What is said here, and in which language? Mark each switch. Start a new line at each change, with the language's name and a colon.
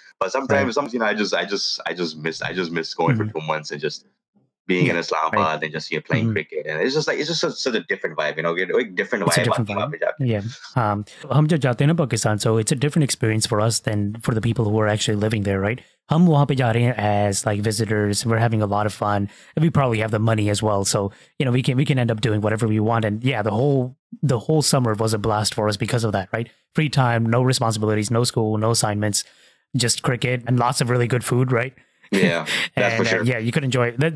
English: But sometimes, you know, I just miss going for 2 months and just being in Islamabad and just, you know, playing cricket. And it's just like, it's just such a different vibe, you know,
Hindi: Hum jo jaate hain na
English: Pakistan, so it's a different experience for us than for the people who are actually living there, right?
Hindi: हम वहाँ पे जा रहे हैं
English: as like visitors. We're having a lot of fun. And we probably have the money as well. So, you know, we can end up doing whatever we want. And yeah, the whole summer was a blast for us because of that, right? Free time, no responsibilities, no school, no assignments, just cricket and lots of really good food, right? Yeah, that's and, for sure. Yeah, you could enjoy it.